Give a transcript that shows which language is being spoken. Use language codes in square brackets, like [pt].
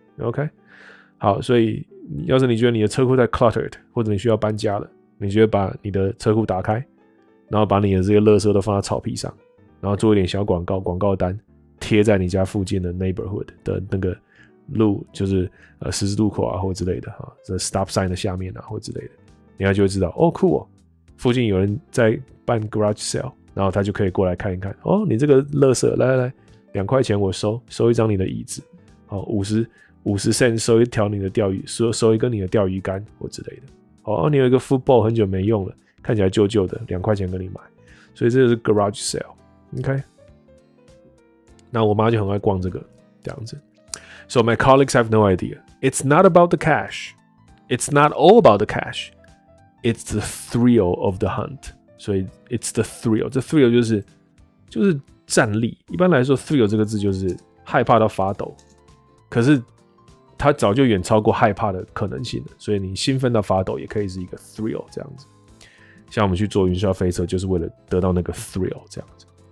[zh] OK， 好，所以要是你觉得你的车库在 cluttered， 或者你需要搬家了，你就会把你的车库打开，然后把你的这些垃圾都放在草皮上，然后做一点小广告，广告单贴在你家附近的 neighborhood 的那个路，就是十字路口啊或之类的哈，这 stop sign 的下面啊或之类的，人家就会知道哦，酷哦，附近有人在办 garage sale， 然后他就可以过来看一看哦，你这个垃圾，来来来。 2块钱我收一张你的椅子，好，50 cent 收一条你的钓鱼，收一根你的钓鱼竿或之类的。好，你有一个 football 很久没用了，看起来旧旧的，2块钱跟你买。所以这就是 garage sale， OK。那我妈就很爱逛这个这样子。 [en] So my colleagues have no idea. It's not about the cash. It's not all about the cash. It's the thrill of the hunt. [zh] 所以 [en] it's the thrill. [zh] 这 thrill 就是。战力一般来说 ，thrill 这个字就是害怕到发抖，可是它早就远超过害怕的可能性了，所以你兴奋到发抖也可以是一个 thrill 这样子。像我们去坐云霄飞车，就是为了得到那个 thrill 这样子。